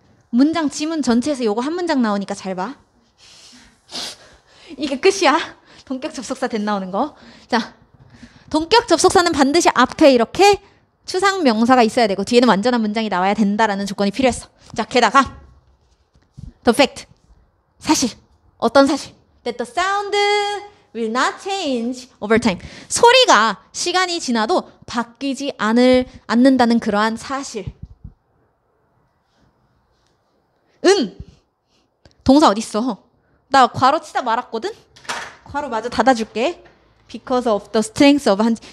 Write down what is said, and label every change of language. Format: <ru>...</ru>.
<ko>문장 지문 전체에서 요거 한 문장 나오니까 잘 봐. 이게 끝이야. 동격 접속사 대 나오는 거. 자, 동격 접속사는 반드시 앞에 이렇게 추상 명사가 있어야 되고 뒤에는 완전한 문장이 나와야 된다라는 조건이 필요했어. 자, 게다가,</ko> <en>the fact,</en> <ko>사실, 어떤 사실?</ko> <en>That the sound will not change over time.</en> <ko>소리가 시간이 지나도 바뀌지 않는다는 그러한 사실. 은! 동사 어딨어? 나 괄호 치다 말았거든? 괄호 마저 닫아줄게.</ko> <en>Because of the strength of 한지.</en>